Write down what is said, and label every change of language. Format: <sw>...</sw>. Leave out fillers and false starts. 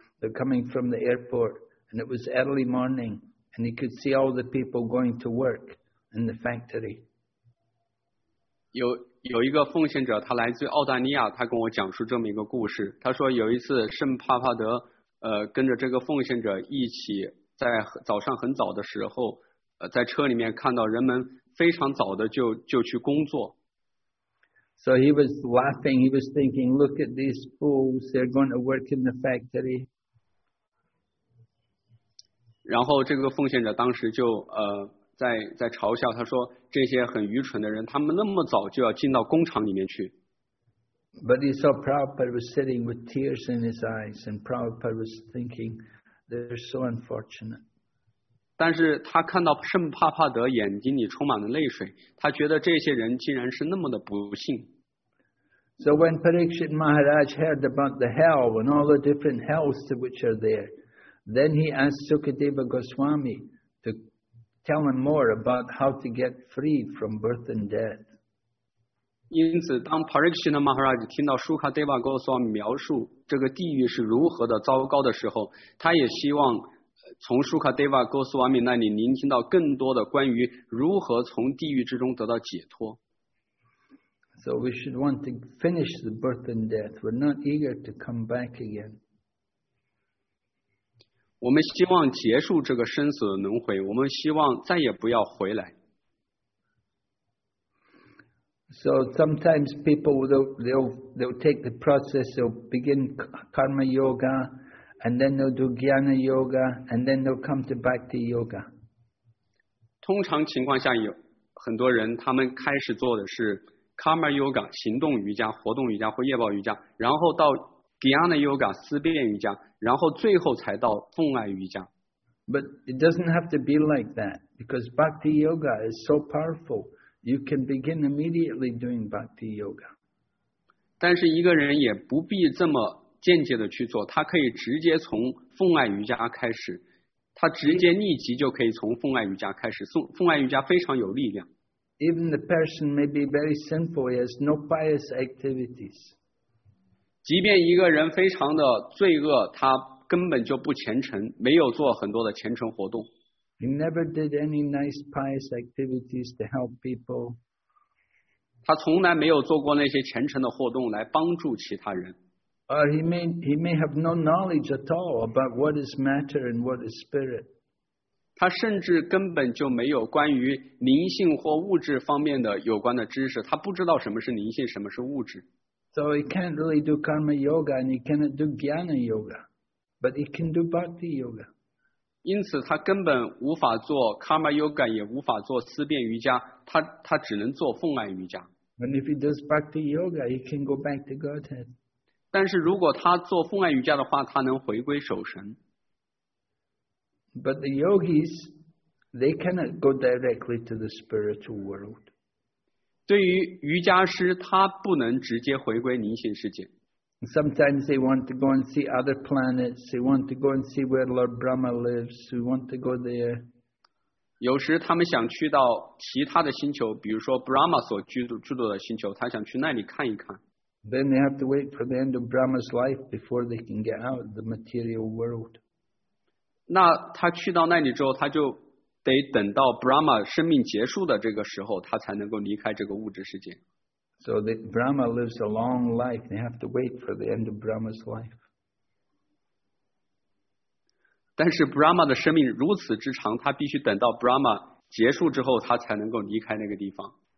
<en>They're coming from the airport, and it was early morning, and he could see all the people going to work in the factory.</en> <zh>有一个奉献者，他来自澳大利亚，他跟我讲述这么一个故事。他说有一次圣帕帕德跟着这个奉献者一起在早上很早的时候在车里面看到人们非常早的就去工作。</zh> <en>So he was laughing, he was thinking, look at these fools, they're going to work in the factory.</en> <zh>然后这个奉献者当时就在嘲笑，他说这些很愚蠢的人，他们那么早就要进到工厂里面去。</zh> <en>But he saw Prabhupada was sitting with tears in his eyes, and Prabhupada was thinking, they're so unfortunate.</en> <zh>但是他看到圣帕帕德眼睛里充满了泪水，他觉得这些人竟然是那么的不幸。</zh> <en>So when Parikshit Maharaj heard about the hell and all the different hells which are there, then he asked Sukadeva Goswami to tell him more about how to get free from birth and death.</en> <zh>因此当 Parikshit Maharaj 听到 Sukadeva Goswami 描述这个地狱是如何的糟糕的时候，他也希望从 Sukadeva Goswami 那里聆听到更多的关于如何从地狱之中得到解脱。</zh> <en>So we should want to finish the birth and death. We're not eager to come back again.</en> <zh>我们希望结束这个生死的轮回，我们希望再也不要回来。</zh> <en>So sometimes people they'll take the process, they'll begin karma yoga, and then they'll do jnana yoga, and then they'll come to bhakti yoga.</en> <zh>通常情况下有很多人，他们开始做的是 karma yoga 行动瑜伽、活动瑜伽或业报瑜伽，然后到Dhyana Yoga 思辨瑜伽，然后最后才到奉爱瑜伽。</zh> <en>But it doesn't have to be like that, because Bhakti Yoga is so powerful, you can begin immediately doing Bhakti Yoga.</en> <zh>但是一个人也不必这么间接的去做，他可以直接从奉爱瑜伽开始，他直接立即就可以从奉爱瑜伽开始，奉爱瑜伽非常有力量。</zh> <en>Even the person may be very sinful, he has no pious activities.</en> <zh>即便一个人非常的罪恶，他根本就不虔诚，没有做很多的虔诚活动。</zh> <en>He never did any nice pious activities to help people.</en> <zh>他从来没有做过那些虔诚的活动来帮助其他人。</zh> <en>Or he may have no knowledge at all about what is matter and what is spirit.</en> <zh>他甚至根本就没有关于灵性或物质方面的有关的知识，他不知道什么是灵性，什么是物质。</zh> <en>So he can't really do karma yoga and he cannot do jnana yoga, but he can do bhakti yoga.</en> <zh>因此他根本无法做 karma yoga, 也无法做思辨瑜伽，他只能做奉爱瑜伽。</zh> <en>And if he does bhakti yoga, he can go back to Godhead.</en> <zh>但是如果他做奉爱瑜伽的话，他能回归守神。</zh> <en>But the yogis, they cannot go directly to the spiritual world.</en> <zh>对于瑜伽师，他不能直接回归灵性世界。</zh> <en>Sometimes they want to go and see other planets. They want to go and see where Lord Brahma lives. They want to go there.</en> <zh>有时他们想去到其他的星球，比如说 Brahma 所居住的星球，他想去那里看一看。</zh> <en>Then they have to wait for the end of Brahma's life before they can get out of the material world.</en> <zh>那他去到那里之后，他就得等到 Brahma 生命结束的这个时候，他才能够离开这个物质世界。</zh> <en>So the Brahma lives a long life. They have to wait for the end of Brahma's life.</en> <zh>但是 Brahma 的生命如此之长，他必须等到 Brahma 结束之后，他才能够离开那个地方。</zh>